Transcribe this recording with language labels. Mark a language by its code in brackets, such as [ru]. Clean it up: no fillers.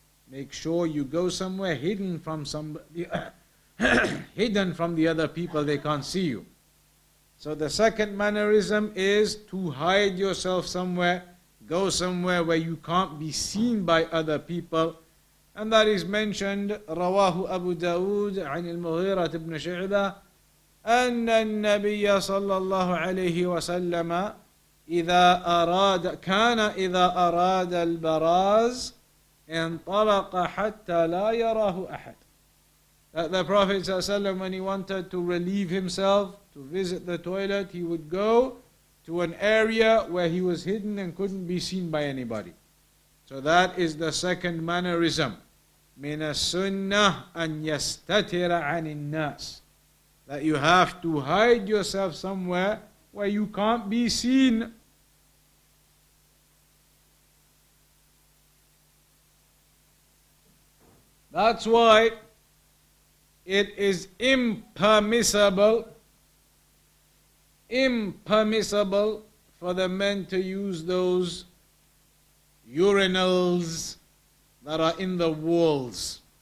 [en] Make sure you go somewhere hidden from somebody, hidden from the other people, they can't see you. So the second mannerism is to hide yourself somewhere, go somewhere where you can't be seen by other people, And that is mentioned, [ar] Rawahu Abu Dawood, عن المغيرة بن شعبة, أن النبي صلى الله عليه وسلم إذا أراد كان إذا أراد البراز انطلق حتى لا يراه أحد. [en] That the Prophet ﷺ, when he wanted to relieve himself, to visit the toilet, he would go to an area where he was hidden and couldn't be seen by anybody. So that is the second mannerism. [ar] من السنة أن يستتر عن الناس. [en] That you have to hide yourself somewhere where you can't be seen. That's why it is impermissible for the men to use those urinals that are in the walls.